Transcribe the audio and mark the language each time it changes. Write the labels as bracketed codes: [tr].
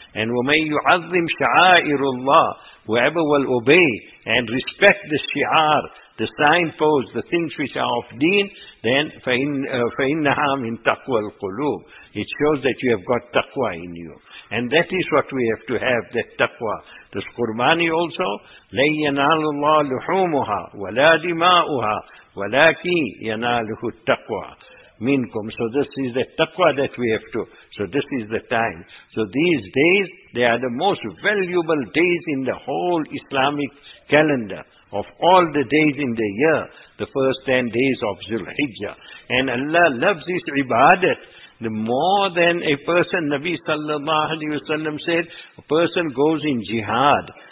[en] And [ar] وَمَنْ يُعَظِّمْ شَعَائِرُ اللَّهِ, [en] whoever will obey and respect the shi'ar, the signposts, the things which are of deen, then [ar] فَإِنَّهَا مِنْ تَقْوَى الْقُلُوبِ, [en] it shows that you have got taqwa in you. And that is what we have to have, that taqwa. This Qurbani also, [ar] لَنْ يَنَالُ اللَّهُ لُحُومُهَا وَلَا دِمَاؤُهَا وَلَاكِي يَنَالُهُ التَّقْوَى مِنْكُمْ. [en] So this is the taqwa that we have to. So this is the time. So these days, they are the most valuable days in the whole Islamic calendar. Of all the days in the year, the first 10 days of Zulhijjah. And Allah loves His ibadat. The more than a person, Nabi sallallahu alayhi wa sallam said, a person goes in jihad.